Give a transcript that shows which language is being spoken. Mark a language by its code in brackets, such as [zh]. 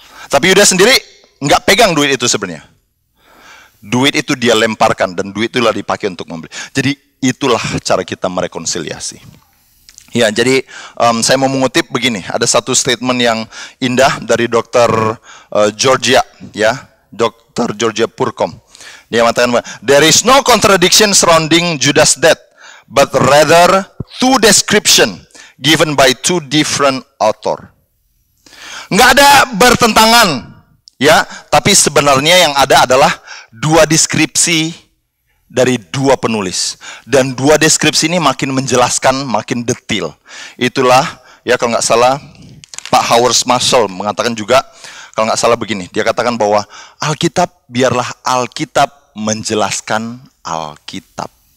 [id] Tapi Yudas sendiri nggak pegang duit itu sebenarnya. Duit itu dia lemparkan, dan duit itulah dipakai untuk membeli. Jadi itulah cara kita merekonsiliasi. Ya, jadi saya mau mengutip begini, ada satu statement yang indah dari Dr. Georgia, ya, Dr. Georgia Purkom. Dia mengatakan, [en] "There is no contradiction surrounding Judas' death, but rather two descriptions given by two different authors." [id] Nggak ada bertentangan, ya, tapi sebenarnya yang ada adalah dua deskripsi dari dua penulis, dan dua deskripsi ini makin menjelaskan, makin detail. Itulah, ya, kalau nggak salah Pak Howard Marshall mengatakan juga, kalau nggak salah begini, dia katakan bahwa Alkitab, biarlah Alkitab menjelaskan Alkitab.